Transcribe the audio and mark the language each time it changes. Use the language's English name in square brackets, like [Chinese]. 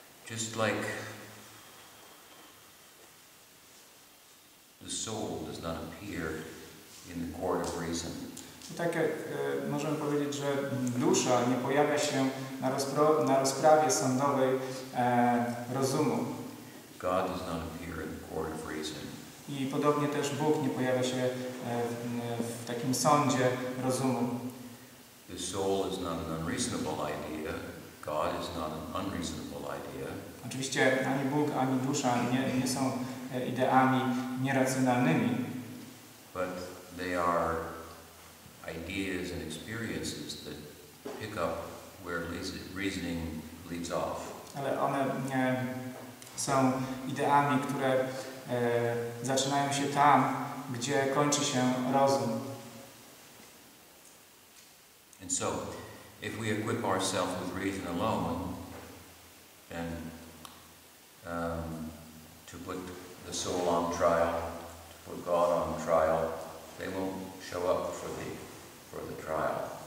[English] Just like the soul does not appear in the court of reason. [Polish] I tak jak możemy powiedzieć, że dusza nie pojawia się na rozprawie sądowej rozumu. [English] God does not appear in the court of reason. [Polish] I podobnie też Bóg nie pojawia się w takim sądzie rozumu. [English] The soul is not an unreasonable idea. God is not an unreasonable idea. [Polish] Oczywiście ani Bóg, ani dusza nie są ideami nieracjonalnymi. [English] But they are ideas and experiences that pick up where reasoning leads off. [Polish] Ale one są ideami, które zaczynają się tam, gdzie kończy się rozum. [English] And so, if we equip ourselves with reason alone, then to put the soul on trial, to put God on trial, they won't show up for the trial.